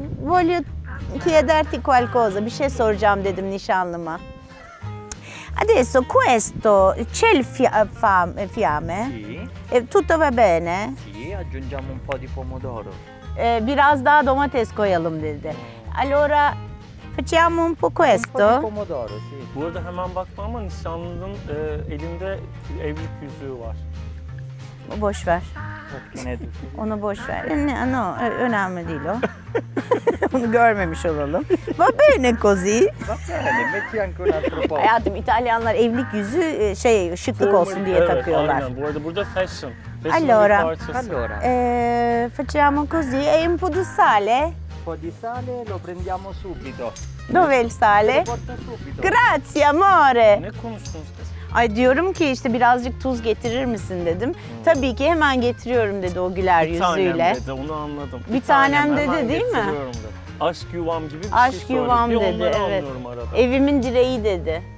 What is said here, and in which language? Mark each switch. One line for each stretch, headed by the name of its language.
Italian: Voglio chiederti qualcosa.
Turkish: Bir şey soracağım dedim nişanlıma.
Italian: Adesso questo c'è il fiamme? Sì. Tutto va bene? Sì, aggiungiamo un po' di pomodoro. Biraz daha domates koyalım dedi. Allora facciamo un po' questo. Un po' di pomodoro, sì.
Turkish: Burada hemen baktım ama nişanlının elinde evlilik yüzüğü var. Boş ver. Nedir? Onu boş ver. No, önemli değil o. Onu görmemiş olalım.
Italian: Va bene così. Va bene, metti anche un altro po'.
Turkish: Hayatım, İtalyanlar evlilik yüzü şey şıklık olsun diye evet, takıyorlar. Aynen. Bu arada burada fashion.
Italian: Allora. Allora. Facciamo così e un po' di sale. Un po' di sale lo prendiamo subito. Dov'è il sale? Lo porto subito. Grazie, amore.
Turkish: Ne konuştunuz? Ay diyorum ki işte birazcık tuz getirir misin dedim. Hmm. Tabii ki hemen getiriyorum dedi o güler yüzüyle. Bir tanem dedi, onu anladım. Bir tanem dedi değil mi? Aşk yuvam gibi bir aşk şey söyledi. Aşk yuvam dedi, onları evet. Onları anlıyorum arada. Evimin direği dedi.